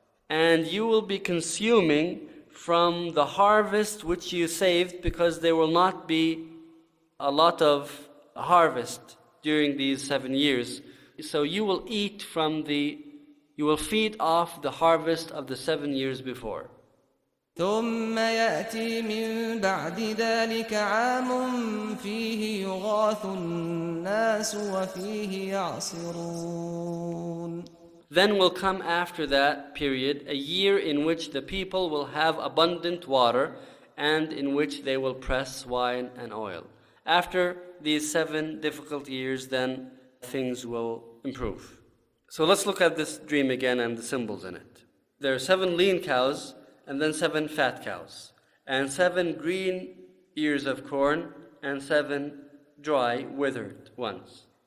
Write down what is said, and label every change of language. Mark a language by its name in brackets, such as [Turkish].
[English] and you will be consuming from the harvest which you saved, because there will not be a lot of harvest during these 7 years. So you will eat from the, you will feed off the harvest of the 7 years before. [Arabic] ثم يأتي من بعد ذلك عام فيه يغاث الناس وفيه يعصرون. [English] Then will come after that period a year in which the people will have abundant water and in which they will press wine and oil. After these 7 difficult years, then things will improve. So let's look at this dream again and the symbols in it. There are 7 lean cows and then 7 fat cows and 7 green ears of corn and 7 dry withered ones.